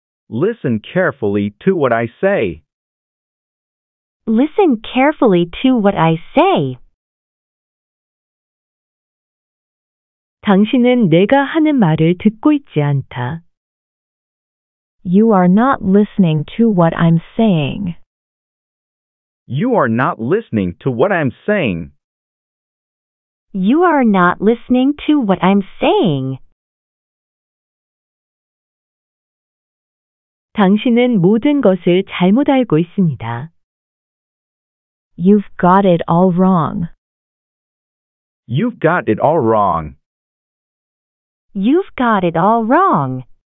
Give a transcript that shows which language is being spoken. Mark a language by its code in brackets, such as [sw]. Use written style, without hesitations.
[en] Listen carefully to what I say. Listen carefully to what I say. [ko] 당신은 내가 하는 말을 듣고 있지 않다. [en] You are not listening to what I'm saying. You are not listening to what I'm saying. You are not listening to what I'm saying. [ko] 당신은 모든 것을 잘못 알고 있습니다. [en] You've got it all wrong. You've got it all wrong. You've got it all wrong.